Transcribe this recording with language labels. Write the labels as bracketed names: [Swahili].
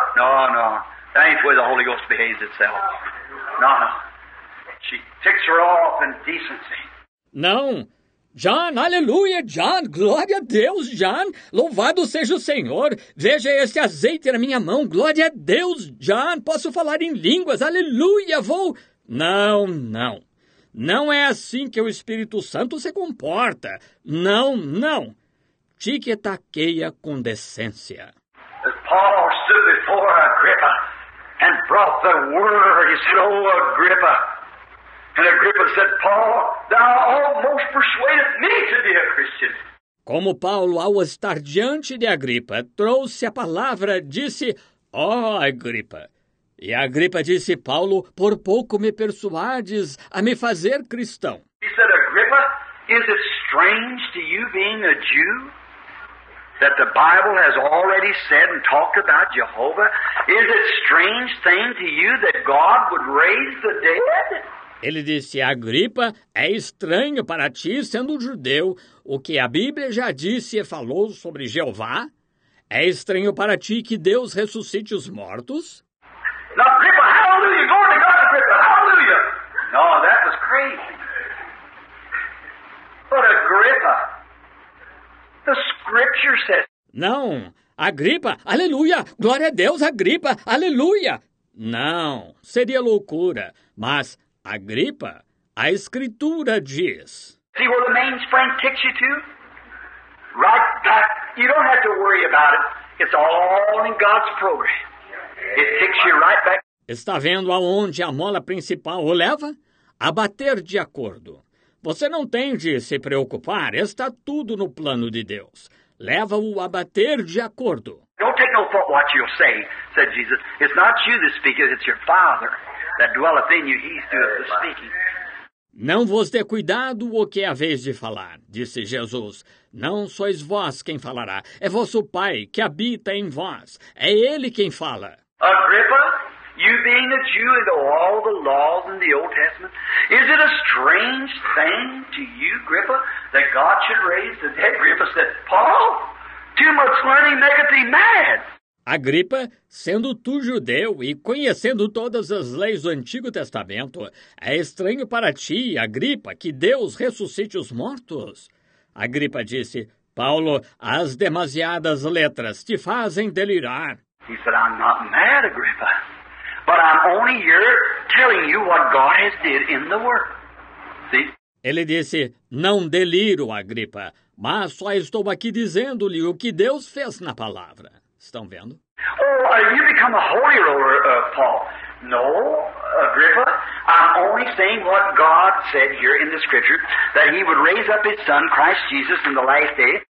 [English] No, no, that ain't where the Holy Ghost behaves itself. No, no, she ticks her off in decency. [Portuguese] Não. John, aleluia, John, glória a Deus, John, louvado seja o Senhor, veja este azeite na minha mão, glória a Deus, John, posso falar em línguas, aleluia, vou... Não, não, não é assim que o Espírito Santo se comporta, não, não, tiquetaqueia com decência. [English] As Paul stood before Agrippa, and brought the word. He said, "Oh, Agrippa." And Agrippa said, "Paul, thou almost persuaded me to be a Christian." [Portuguese] Como Paulo, ao estar diante de Agripa, trouxe a palavra, disse, ó, Agripa. E Agripa disse, Paulo, por pouco me persuades a me fazer cristão. [English] He said, Agripa, is it strange to you being a Jew that the Bible has already said and talked about Jehovah? Is it strange thing to you that God would raise the dead? [Portuguese] Ele disse, Agripa, é estranho para ti, sendo judeu, o que a Bíblia já disse e falou sobre Jeová? É estranho para ti que Deus ressuscite os mortos? [English] Now, Agripa, hallelujah, glory to God, Agripa, hallelujah. No, that was crazy. But Agripa, the scripture says... [Portuguese] Não, Agripa, aleluia, glória a Deus, Agripa, aleluia. Não, seria loucura, mas... Agripa, a escritura diz. [English] See where the mainspring kicks you to? Right back. You don't have to worry about it. It's all in God's program. It kicks you right back. [Portuguese] Está vendo aonde a mola principal o leva? A bater de acordo. Você não tem de se preocupar. Está tudo no plano de Deus. Leva-o a bater de acordo. [English] Don't take no thought what you'll say, said Jesus. It's not you that speaketh, it's your Father. That dwelleth in you, he's speaking. [Portuguese] Não vos dê cuidado o que é a vez de falar, disse Jesus. Não sois vós quem falará, é vosso Pai que habita em vós. É ele quem fala. [English] Agripa, you being a Jew and know all the laws in the Old Testament, is it a strange thing to you, Agripa, that God should raise the dead? Agripa said, Paul, too much learning maketh thee mad. [Portuguese] Agripa, sendo tu judeu e conhecendo todas as leis do Antigo Testamento, é estranho para ti, Agripa, que Deus ressuscite os mortos? Agripa disse, Paulo, as demasiadas letras te fazem delirar. [English] He said, I'm not mad, Agripa, but I'm only here telling you what God has did in the world. See? [Portuguese] Ele disse, não deliro, Agripa, mas só estou aqui dizendo-lhe o que Deus fez na palavra. Estão vendo? [English] Oh, you become a holy roller, Paul. No, Agripa, I'm only saying what God said here in the scripture, that he would raise up his son, Christ Jesus, in the last day.